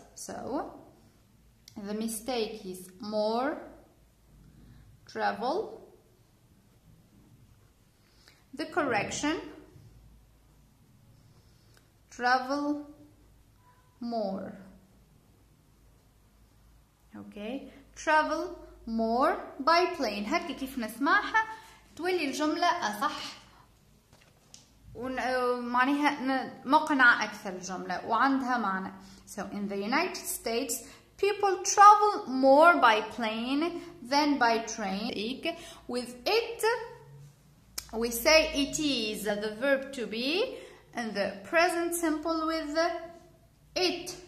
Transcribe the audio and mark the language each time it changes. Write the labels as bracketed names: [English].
[English] So the mistake is more travel. The correction travel more. Okay, travel more by plane. [Arabic] هكا كيف نسمعها تولي الجملة أصح ومعنيها مقنعة أكثر الجملة وعندها معنى. [English] So in the United States people travel more by plane than by train. With it we say it is the verb to be and the present simple with it.